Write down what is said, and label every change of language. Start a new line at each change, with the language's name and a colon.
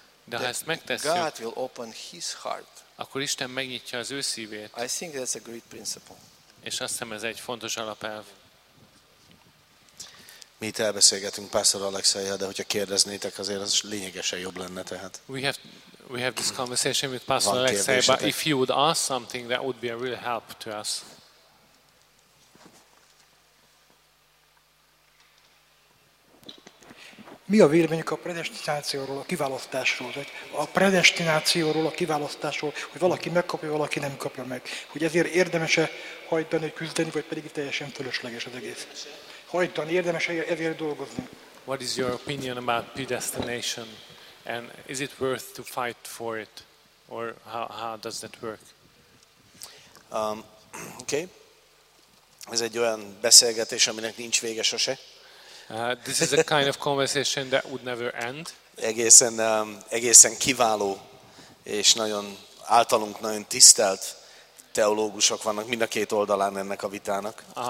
Hungarian: de ha ezt megtesszük,
English: God will open his heart.
Hungarian: Akkor Isten megnyitja az ő szívét.
English: I think that's a great principle.
Hungarian: És azt hiszem ez egy fontos alapelv. Mi itt elbeszélgetünk Pastor Alexeyjel, de hogyha kérdeznétek, azért az lényegesen jobb lenne, tehát.
English: We have this conversation with Pastor Alexey, but if you would ask something, that would be a real help to us.
Hungarian: Mi a véleményük a predestinációról, a kiválasztásról? A predestinációról, a kiválasztásról, hogy valaki megkapja, valaki nem kapja meg. Hogy ezért érdemes-e hajtani, hogy küzdeni, vagy pedig teljesen fölösleges az egész? Hajtani, érdemes-e ezért dolgozni?
English: What is your opinion about predestination? And is it worth to fight for it, or how does that work? Okay.
Hungarian: Ez egy olyan beszélgetés, aminek nincs vége sose.
English: This is a kind of conversation that would never end.
Hungarian: Egészen kiváló és nagyon általunk nagyon tisztelt teológusok vannak mind a két oldalán ennek a vitának.